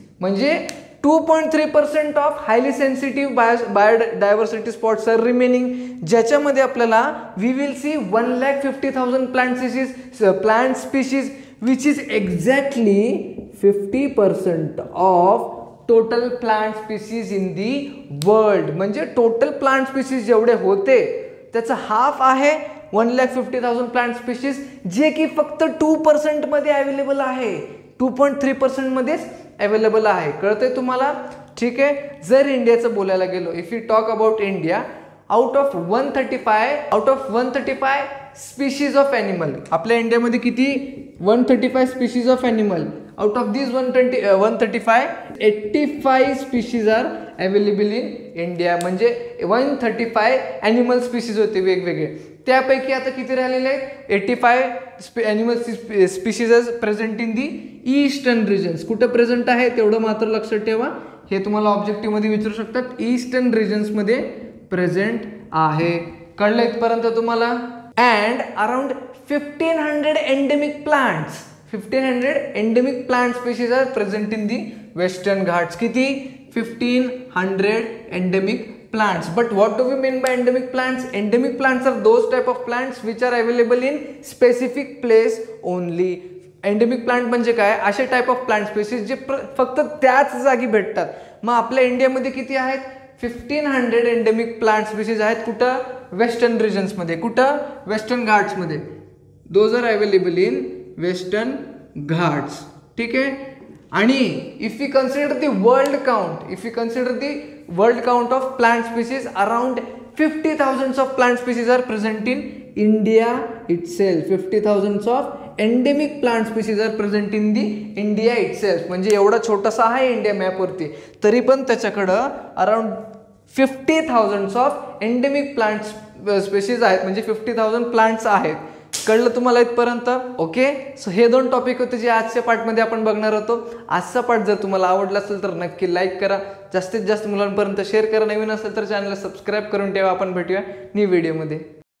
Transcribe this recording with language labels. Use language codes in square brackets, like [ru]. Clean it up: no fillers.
[en] म्हणजे 2.3% of highly sensitive biodiversity spots are remaining, [mr] ज्याच्यामध्ये आपल्याला [en] we will see 150,000 plant species which is exactly 50% of total plant species in the world. [mr] म्हणजे total plant species जेवढे होते त्याचं half आहे 150,000 plant species, जे की फक्त 2% अवेलेबल आहे, 2.3% अवेलेबल आहे. कळतंय तुम्हाला? ठीक आहे. जर इंडियाचं बोलायला गेलो, [en] if you talk about India, out of 135 species of animal, [mr] आपल्या इंडियामध्ये किती [en] 135 species of animal, out of these 85 species are available in India, [mr] म्हणजे 135 ॲनिमल स्पीशीज होते वेगवेगळे. त्यापैकी आता किती राहिलेले आहेत? [en] 85 animal species are present in the eastern regions. [mr] कुठं प्रेझेंट आहे तेवढं मात्र लक्षात ठेवा, हे तुम्हाला ऑब्जेक्टिव्हमध्ये विचारू शकतात. ईस्टर्न रिजन्समध्ये प्रेझेंट आहे. कळलं इथपर्यंत तुम्हाला? [en] And around 1500 endemic plant species are present in the Western Ghats. [mr] किती? [en] 1500 endemic plants. But what do we mean by endemic plants? Endemic plants are those type of plants which are available in specific place only. [mr] Endemic plant म्हणजे काय? असे [en] type of plant species [mr] जे फक्त त्याच जागी भेटतात. मग आपल्या इंडियामध्ये किती आहेत? 1500 एंडेमिक प्लांट स्पीशीज आहेत. कुठं? वेस्टर्न रिजन्समध्ये. कुठं? Western घाट्समध्ये. [en] Those are available in Western Ghats. [mr] ठीक आहे. [en] आणि if you consider the world count, if you consider the world count of plant species, around 50,000 of plant species are present in India itself. 50,000 of endemic plant species are present in the India itself. [mr] म्हणजे एवढा छोटासा आहे India मॅपवरती, तरी पण त्याच्याकडं around 50,000 of endemic plant species आहेत, म्हणजे 50,000 plants आहेत. कळलं तुम्हाला इथपर्यंत? ओके. सो हे दोन टॉपिक होते जे आजच्या पार्टमध्ये आपण बघणार होतो. आजचा पार्ट जर तुम्हाला आवडला असेल तर नक्की लाईक करा, जास्तीत जास्त मुलांपर्यंत शेअर करा, नवीन असेल तर चॅनलला सबस्क्राईब करून ठेवा. आपण भेटूया न्यू व्हिडिओमध्ये.